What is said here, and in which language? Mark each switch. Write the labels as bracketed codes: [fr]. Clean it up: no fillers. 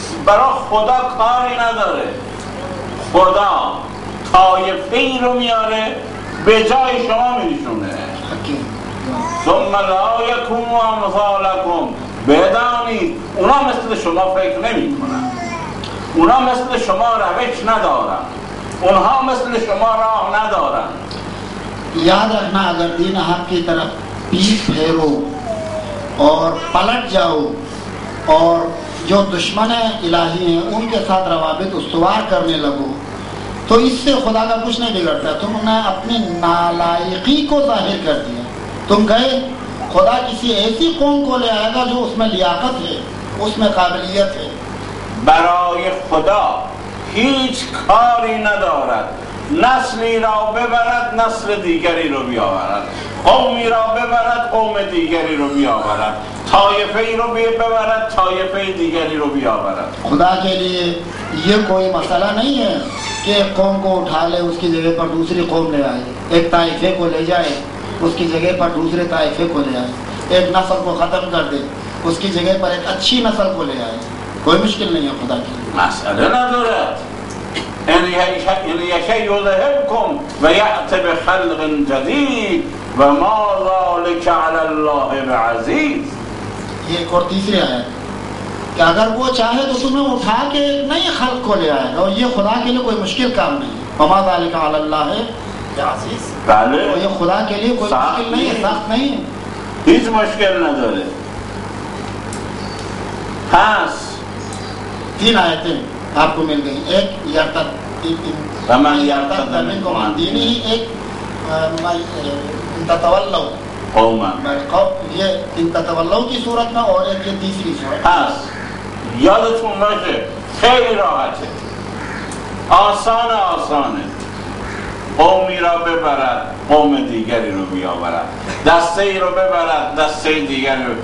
[fa] برا خدا کاری نداره, خدا طایفه ای رو میاره به جای شما میشونه. [ar] ثم لا یکونوا امثالکم. [fa] بدانید اونا مثل شما فکر نمی کنن, اونا مثل شما روش ندارن, اونها مثل شما راه ندارن. [ur] یاد رکھنا اگر دین حق کی طرف پیٹھ پھیرو اور پلٹ جاؤ اور جو دشمن الہی ہیں ان کے ساتھ روابط استوار کرنے لگو تو اس سے خدا کا کچھ نہیں بگڑتا. تم نے اپنی نالائقی کو ظاہر کر دیا. تم گئے خدا کسی ایسی قوم کو لے آئے گا جو اس میں لیاقت ہے, اس میں قابلیت ہے. [fa] برای خدا هیچ کاری ندارد نسلی را ببرد نسل دیگری رو بیاورد, قومی را ببرد قوم دیگری رو بیاورد, طایفه ای رو ببرد طایفه دیگری رو بیاورد. [ur] خدا کے لیے یہ کوئی مسئلہ نہیں ہے کہ ایک قوم کو اٹھا لے اس کی جگہ پر دوسری قوم لے آئے, ایک طائفے کو لے جائے اس کی جگہ پر دوسرے طائفے کو لے آئے, ایک نسل کو ختم کر دے اس کی جگہ پر ایک اچھی نسل کو لے آئے. کوئی مشکل نہیں ہے خدا کے لیے. [fa] مسئلہ ندارد. [ar] ان یکی یذهبکم و یأتی بخلق جدید و ما ذلک علی الله بعزیز. [ur] یہ ایک اور تیسری آیت کہ اگر وہ چاہے تو تمہیں اٹھا کے نئی خلق کو لے آئے گا اور یہ خدا کے لیے کوئی مشکل کام نہیں. [ar] و ما ذلک علی الله بعزیز. [fa] بله [ur] اور یہ خدا کے لیے کوئی مشکل نہیں ہے, سخت نہیں [fa] ہے, هیچ مشکل نداره. پس [ur] تین آیتیں آپ کو مل گئی, ایک یرتد [ar] من یرتد منکم عن دینہ, ایک ان تتولو قوما, [ur] یہ ان تتولو کی صورت میں, اور ایک تیسری صورت. [fa] پس یادتون باشه خیلی راحته, آسان آسانه, قومی را ببرد قوم دیگری رو بیاورد, دسته ای رو ببرد دسته دیگری رو.